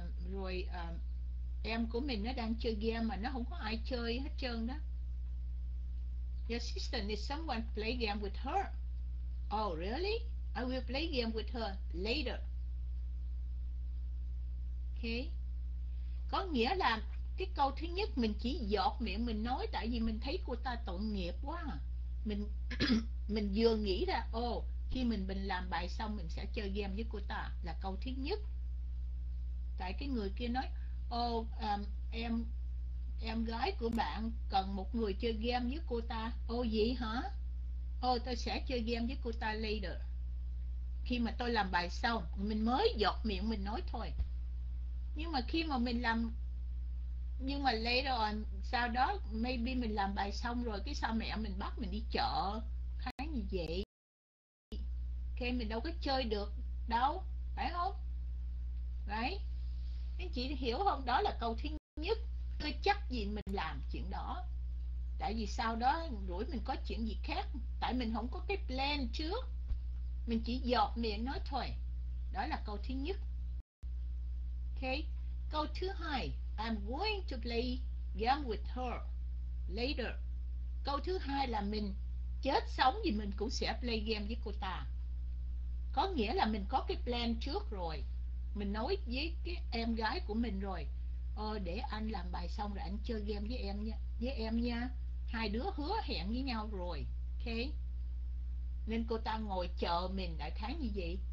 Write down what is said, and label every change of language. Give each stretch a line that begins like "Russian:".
Vietnamese: Rồi em của mình nó đang chơi game mà nó không có ai chơi hết trơn đó.
English: Your sister needs someone to play game with her. Oh really? I will play game with her later. Okay.
Vietnamese: Có nghĩa là cái câu thứ nhất mình chỉ giọt miệng mình nói, tại vì mình thấy cô ta tội nghiệp quá. Mình vừa nghĩ ra, ồ, khi mình làm bài xong mình sẽ chơi game với cô ta, là câu thứ nhất. Tại cái người kia nói, ồ, em gái của bạn cần một người chơi game với cô ta. Ồ vậy hả? Ồ tôi sẽ chơi game với cô ta later. Khi mà tôi làm bài xong, mình mới giọt miệng mình nói thôi. Nhưng mà khi mà mình làm, nhưng mà later on, sau đó maybe mình làm bài xong rồi, cái sau mẹ mình bắt mình đi chợ, khá như vậy. Okay, mình đâu có chơi được đâu, phải không? Đấy, anh chị hiểu không? Đó là câu thứ nhất. Tôi chắc gì mình làm chuyện đó. Tại vì sau đó rủi mình có chuyện gì khác, tại mình không có cái plan trước, mình chỉ giọt miệng nói thôi. Đó là câu thứ nhất. Okay. Câu thứ hai,
English: I'm going to play game with her later.
Vietnamese: Câu thứ hai là mình chết sống gì mình cũng sẽ
English: play game
Vietnamese: với cô ta. Có nghĩa là mình có cái plan trước rồi, mình nói với cái em gái của mình rồi, ờ, để anh làm bài xong rồi anh chơi game với em nha, với em nha. Hai đứa hứa hẹn với nhau rồi. Okay. Nên cô ta ngồi chờ mình đại khái như vậy.